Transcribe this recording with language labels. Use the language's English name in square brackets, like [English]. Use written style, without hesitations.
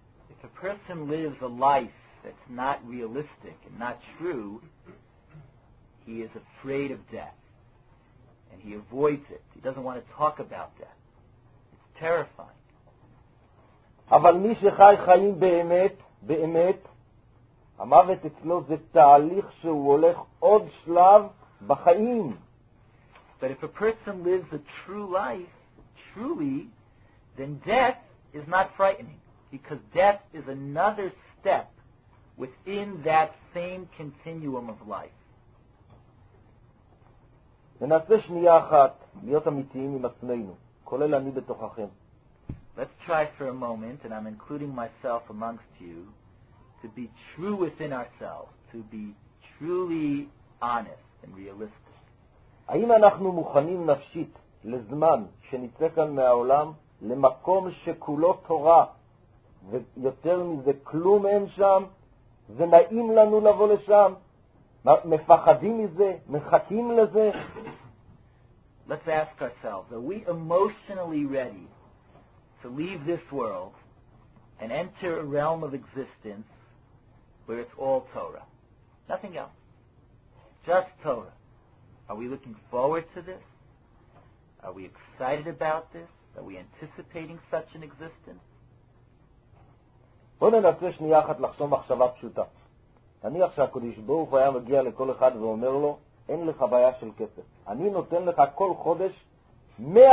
[English] If a person lives a life that's not realistic and not true, he is afraid of death, and he avoids it. He doesn't want to talk about death. It's terrifying. [Hebrew] אבל מי שחי חיים באמת, באמת, המוות אצלו זה תהליך שהוא הולך עוד שלב בחיים. [English] But if a person lives a true life, truly, then death is not frightening, because death is another step within that same continuum of life. [Hebrew] ננסה שנייה אחת להיות אמיתיים עם עצמנו, כולל אני בתוככם. [English] Let's try for a moment, and I'm including myself amongst you, to be true within ourselves, to be truly honest and realistic. [Hebrew] האם אנחנו מוכנים נפשית לזמן שנצא כאן מהעולם למקום שכולו תורה, ויותר מזה כלום אין שם, זה נעים לנו לבוא לשם? מפחדים מזה? מחכים לזה? [English] Let's ask ourselves, are we emotionally ready to leave this world and enter a realm of existence where it's all Torah? Nothing else. Just Torah. Are we looking forward to this? Are we excited about this? Are we anticipating such an existence? [Hebrew] בוא ננסה שנייה אחת לחשוב מחשבה פשוטה. נניח שהקודש ברוך היה מגיע לכל אחד ואומר לו, אין לך בעיה של כסף. אני נותן לך כל חודש $100,000.